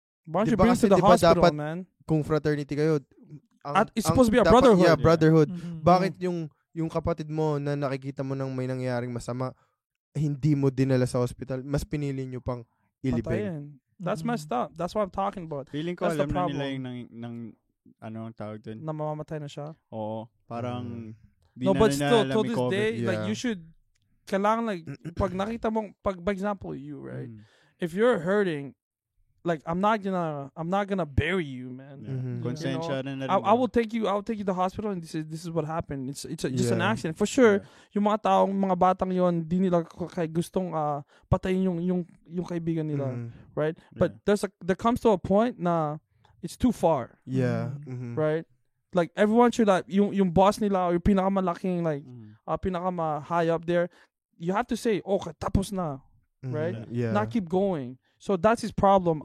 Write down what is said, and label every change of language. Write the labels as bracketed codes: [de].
[tl] bunch diba kasi diba hospital, dapat man? Kung fraternity kayo [en] it's supposed to be a brotherhood. Yeah, brotherhood. [tl] Yeah. Mm-hmm. Bakit yung kapatid mo na nakikita mo nang may nangyayaring masama hindi mo dinala sa hospital, mas pinili nyo pang ilibay. [en] That's messed up. That's what I'm talking about. [tl] Feeling ko [en] that's [tl] alam na nila yung nang ano ang tawag din? Na mamamatay na siya? Oo. Parang, [en] no, but still, to this COVID. Day, yeah. Like, you should, kailangan, like, [tl] pag nakita mong, pag, [en] by example, you, right? If you're hurting, like, I'm not gonna bury you, man. [tl] Konsensya na rin. [en] I will take you to the hospital and this is what happened. It's just an accident. [tl] For sure, yung mga taong, mga batang yon di nila kay gustong patayin yung kaibigan nila, right? [en] But there comes to a point na, it's too far. Yeah. Right? Like, everyone should, like, [tl] yung boss nila, yung pinakamalaking, [en] like, pinakama high up there, you have to say, oh, [tl] tapos na. [en] Right? Yeah. Not keep going. So, that's his problem.